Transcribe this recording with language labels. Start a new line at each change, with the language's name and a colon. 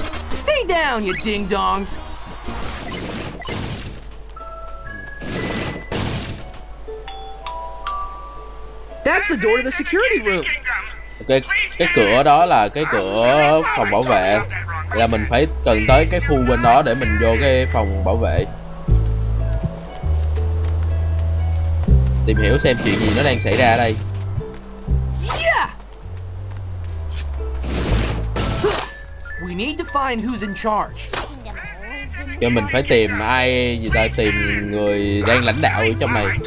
English: Stay down, you ding dongs. That's the door to the security room.
Vietnamese: Okay, cái cửa đó là cái cửa phòng bảo vệ. Là mình phải cần tới cái khu bên đó để mình vô cái phòng bảo vệ. Tìm hiểu xem chuyện gì nó đang xảy ra ở đây.
English: We need to find who's in charge.
Vietnamese: Cho mình phải tìm ai, người ta tìm người đang lãnh đạo ở trong này.